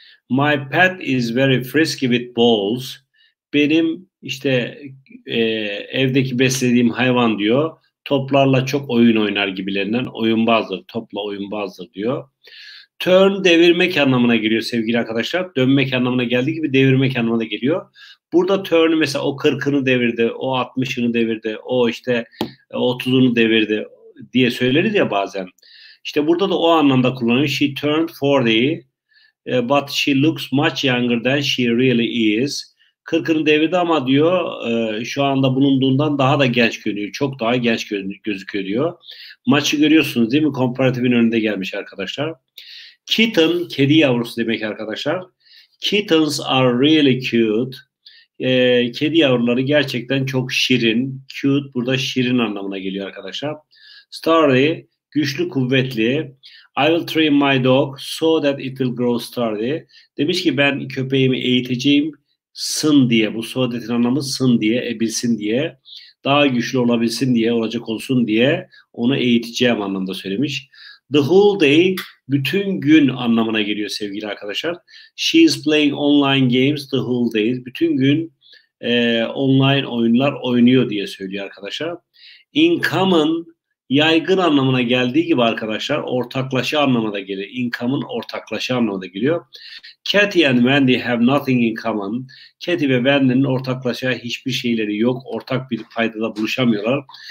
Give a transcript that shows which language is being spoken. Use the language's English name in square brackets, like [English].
[English] My pet is very frisky with balls. [Turkish] Benim işte evdeki beslediğim hayvan diyor, toplarla çok oyun oynar gibilerinden, oyunbazdır, topla oyunbazdır diyor. Turn, devirmek anlamına geliyor sevgili arkadaşlar. Dönmek anlamına geldiği gibi devirmek anlamına geliyor. Burada turn mesela o 40'ını devirdi, o 60'ını devirdi, o işte 30'unu devirdi diye söyleriz ya bazen. İşte burada da o anlamda kullanıyor. [English] She turned 40, but she looks much younger than she really is. [Turkish] 40'ını devirdi ama diyor şu anda bulunduğundan daha da genç görünüyor. Çok daha genç gözüküyor diyor. Maçı görüyorsunuz değil mi? Komparatifin önünde gelmiş arkadaşlar. Kitten, kedi yavrusu demek arkadaşlar. [English] Kittens are really cute. [Turkish] Kedi yavruları gerçekten çok şirin. Cute burada şirin anlamına geliyor arkadaşlar. Sturdy, güçlü, kuvvetli. [English] I will train my dog so that it will grow sturdy. [Turkish] Demiş ki ben köpeğimi eğiteceğim. Sın diye, bu sohbetin anlamı sın diye, ebilsin diye, daha güçlü olabilsin diye, olacak olsun diye onu eğiteceğim anlamda söylemiş. [English] The whole day, [Turkish] bütün gün anlamına geliyor sevgili arkadaşlar. [English] She is playing online games the whole day. [Turkish] Bütün gün online oyunlar oynuyor diye söylüyor arkadaşlar. In common, yaygın anlamına geldiği gibi arkadaşlar, ortaklaşa anlamına da geliyor. Income'ın ortaklaşa anlamına da geliyor. [English] Cathy and Wendy have nothing in common. [Turkish] Cathy ve Wendy'nin ortaklaşa hiçbir şeyleri yok. Ortak bir faydada buluşamıyorlar.